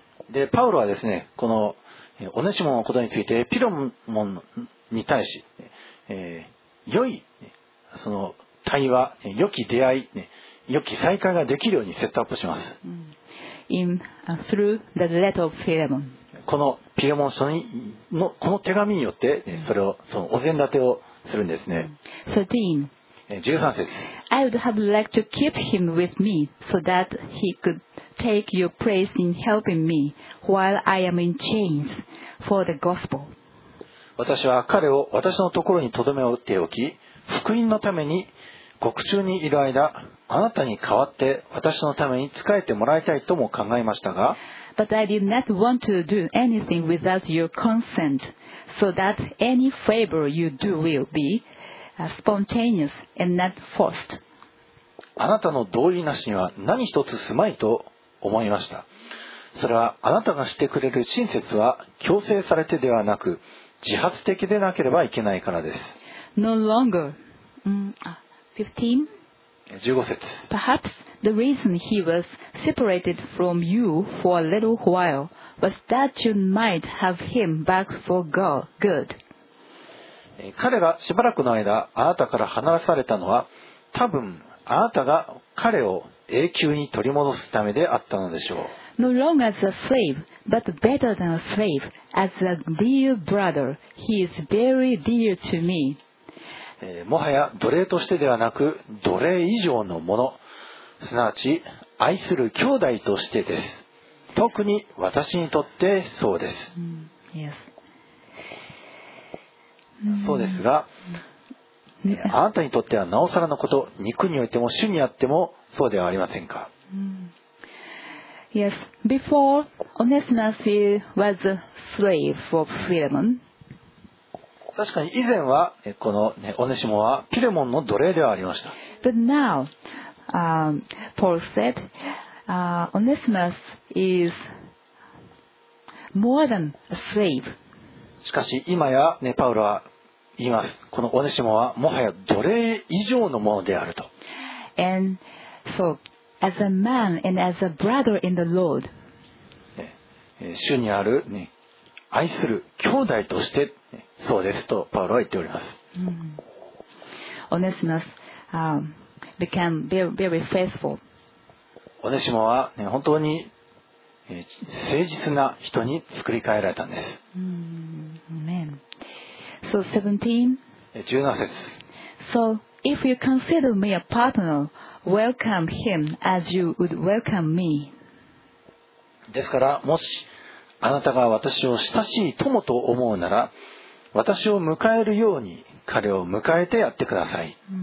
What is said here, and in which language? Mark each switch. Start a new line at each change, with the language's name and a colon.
Japanese: で、パウロはですね、このオネシモのことについてピロモンに対し、良いその対話、良き出会い、良き再会ができるようにセットアップします。
English: Through the letter of Philemon.
Japanese: このピレモン書にのこの手紙によって、ね、それをそのお膳立てをするんですね。 13節。
English: I would have liked to keep him with me so that he could take your place in helping me while I am in chains for the gospel.
Japanese: 私は彼を私のところに留めおっておき、福音のために獄中にいる間、あなたに代わって私のために仕えてもらいたいとも考えましたが、
English: But I did not want to do anything without your consent, so that any favor you do will be spontaneous and not forced.
Japanese: あなたの同意なしには何一つすまいと思いました。それはあなたがしてくれる親切は強制されてではなく、自発的でなければいけないからです。
English: No longer. 15節。 Perhaps the reason he was separated from you for a little while was that you might have him back for good.
Japanese: 彼がしばらくの間あなたから離されたのは、多分あなたが彼を永久に取り戻すためであったのでしょう。
English: No longer as a slave, but better than a slave, as a dear brother, he is very dear to me.
Japanese: もはや奴隷としてではなく、奴隷以上のもの、すなわち愛する兄弟としてです。特に私にとってそうです、
English: yes.
Japanese: そうですが、あなたにとってはなおさらのこと、肉においても主にあってもそうではありませんか。
English: Yes, before Onesimus was a slave of Philemon,
Japanese: 確かに以前はこの、ね、オネシモはピレモンの奴隷ではありました。
English: But now, Paul said, Onesimus is more than a slave.
Japanese: しかし今や、ね、パウロは言います。このオネシモはもはや奴隷以上のものであると。
English: And so, as a man and as a brother in the Lord,
Japanese: 主にある、ね、愛する兄弟としてそうですとパウロは言っております。
English: Onesimus became very, very faithful.
Japanese: オネシモは、ね、本当に誠実な人に作り変えられたんです。
English: Amen. So 17.
Japanese: 17節。
English: So if you consider me a partner, welcome him as you would welcome me.
Japanese: ですからもしあなたが私を親しい友と思うなら、私を迎えるように彼を迎えてやってください。